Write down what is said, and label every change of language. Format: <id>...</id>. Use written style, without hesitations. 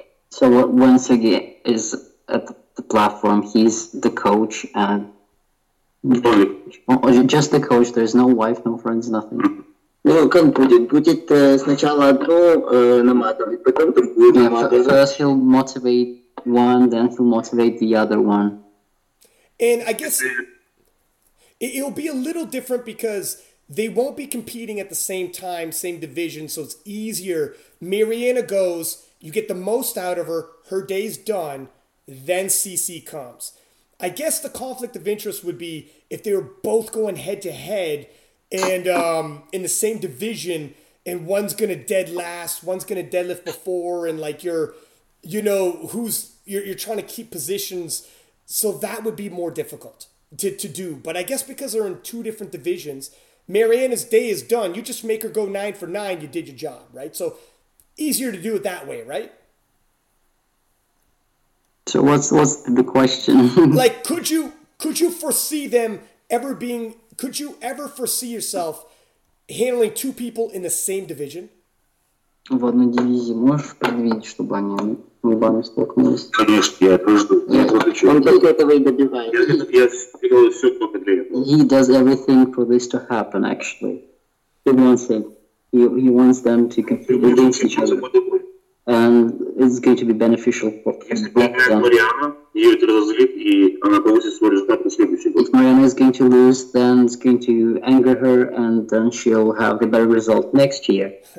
<en>So when Sergei is at the platform, he's the coach and only. Just the coach, there's no wife, no friends, nothing.</en> <ru>Ну, как будет? Будет сначала одно наматывать, потом другое наматывать.</ru> <en>First he'll motivate one, then he'll motivate the other one. And I guess it'll be a little different because they won't be competing at the same time, same division, so it's easier. Mariana goes, you get the most out of her, her day's done, then CC comes. I guess the conflict of interest would be if they were both going head to head and in the same division, and one's gonna dead last, one's gonna deadlift before, and like you're trying to keep positions, so that would be more difficult to do. But I guess because they're in two different divisions, Mariana's day is done. You just make her go 9 for 9. You did your job, right? So easier to do it that way, right? So what's the question? Like, could you foresee them ever being? Could you ever foresee yourself handling two people in the same division?</en> <ru>В одной дивизии можешь предвидеть, чтобы они лбами столкнулись? Конечно, я это жду. Он только этого и добивает. Я сделаю все только для этого.</ru> <en>He does everything for this to happen, actually. He wants it. He wants them to compete against each other. And it's going to be beneficial for them.</en> <ru>Если проиграет Мариана, ее это разозлит, и она получит свой результат на следующий год.</ru> <en>If Mariana is going to lose, then it's going to anger her, and then she'll have a better result next year.</en>